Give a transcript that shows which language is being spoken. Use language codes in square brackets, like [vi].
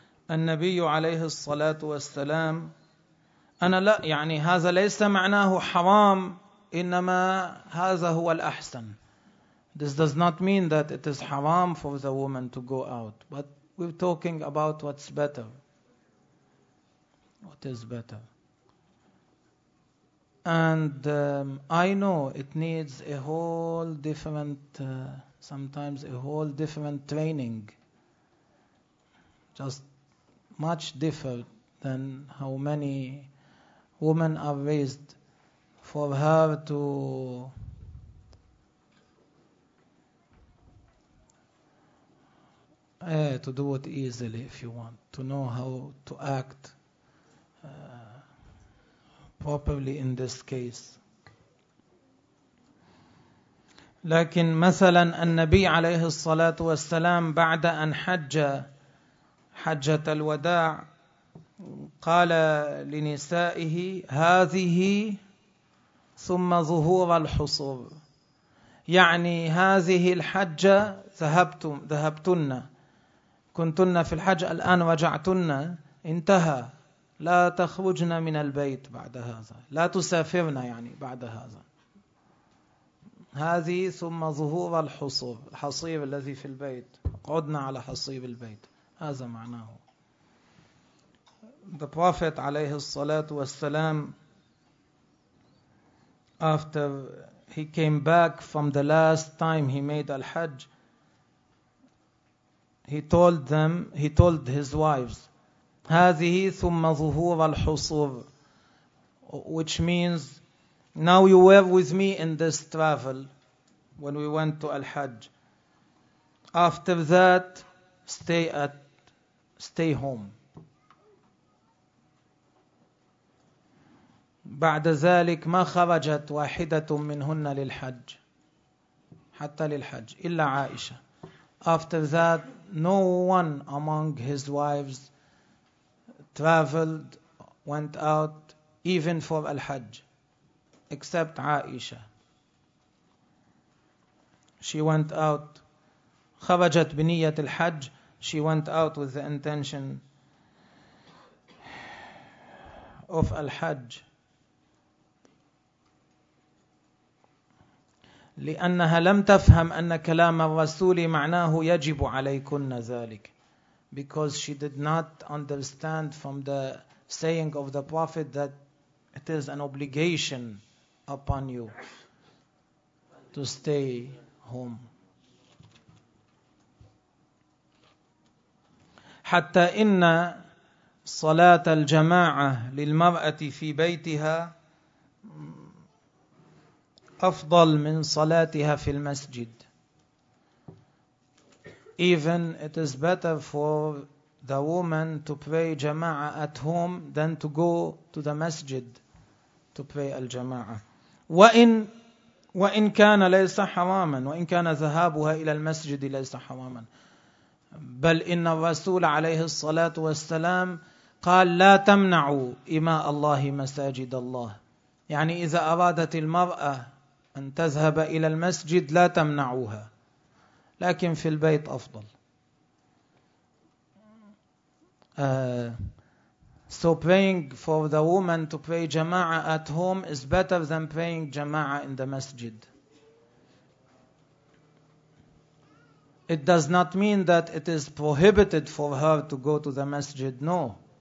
[ar] النبي عليه الصلاة والسلام أنا لا يعني هذا ليس معناه حرام إنما هذا هو الأحسن. [en] This does not mean that it is haram for the woman to go out, but we're talking about what's better. What is better? And I know it needs a whole different, sometimes a whole different training, just much different than how many women are raised for her to. To do it easily, if you want to know how to act properly in this case. [ar] لكن مثلا النبي عليه الصلاة والسلام بعد أن حجة الوداع قال لنسائه هذه ثم ظهور الحصر، يعني هذه الحجة ذهبتن كنتن في الحج، الآن وجعتن، انتهى، لا تخرجن من البيت بعد هذا، لا تسافرن يعني بعد هذا. هذه ثم ظهور الحصير، الحصير الذي في البيت، قعدنا على حصير البيت، هذا معناه. [en] The Prophet [ar] عليه الصلاة والسلام [en] after he came back from the last time he made al-hajj, He told his wives, [ar] هَذِهِ ثُمَّ ظُهُورَ الْحُصُورِ, [en] which means, now you were with me in this travel when we went to Al-Hajj. After that, stay at stay home. [ar] بعد ذلك ما خرجت واحدة منهن للحج حتى للحج إلا عائشة. [en] After that, no one among his wives traveled, went out, even for al-Hajj, except Aisha. She went out. [ar] خرجت بنية الحج. [en] She went out with the intention of al-Hajj. [ar] لأنها لم تفهم أن كلام الرسول معناه يجب عليكن ذلك. [en] Because she did not understand from the saying of the Prophet that it is an obligation upon you to stay home. [ar] حتى إن صلاة الجماعة للمرأة في بيتها أفضل من صلاتها في المسجد. [en] Even it is better for the woman to pray jama'ah at home than to go to the masjid to pray al-jama'ah. [ar] وإن كان ليس حراما وإن كان ذهابها إلى المسجد ليس حراما بل إن الرسول عليه الصلاة والسلام قال لا تمنعوا إماء الله مساجد الله. يعني إذا أرادت المرأة أن تذهب إلى المسجد لا تمنعوها، لكن في البيت أفضل. [en] So praying for the woman to pray jama'ah at home is better than praying jama'ah in the masjid. It does not mean that it is prohibited for her to go to the masjid. No.